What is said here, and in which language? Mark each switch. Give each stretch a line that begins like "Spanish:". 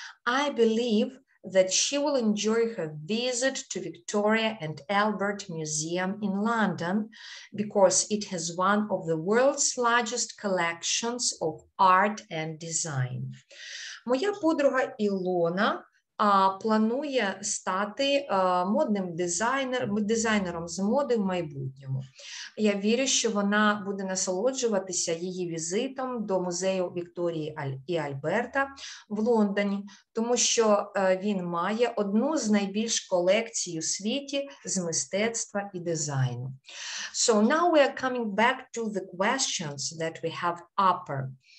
English: I believe that she will enjoy her visit to Victoria and Albert Museum in London because it has one of the world's largest collections of art and design.
Ukrainian: Моя подруга Ілона планує стати модним дизайнером з моди в майбутньому. Я вірю, що вона буде насолоджуватися її візитом до музею Вікторії і Альберта в Лондоні, тому що він має одну з найбільш колекцій у світі з мистецтва і дизайну.
English: So now we are coming back to the questions that we have upper.